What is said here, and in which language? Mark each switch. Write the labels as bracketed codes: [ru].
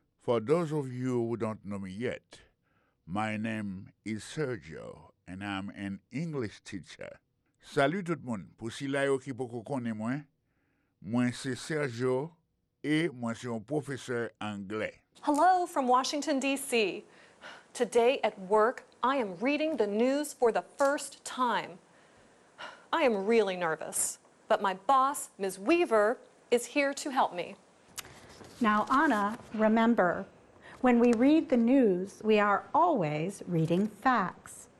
[en] For those of you who don't know me yet, my name is Sergio. And I'm an English teacher. [ht] Salut tout moun. Pour si la yo ki poko konnen mwen, mwen se Sergio et mwen se un professeur anglais. [en] Hello from Washington DC. Today at work, I am reading the news for the first time. I am really nervous, but my boss, Ms. Weaver, is here to help me. Now Anna, remember, when we read the news, we are always reading facts.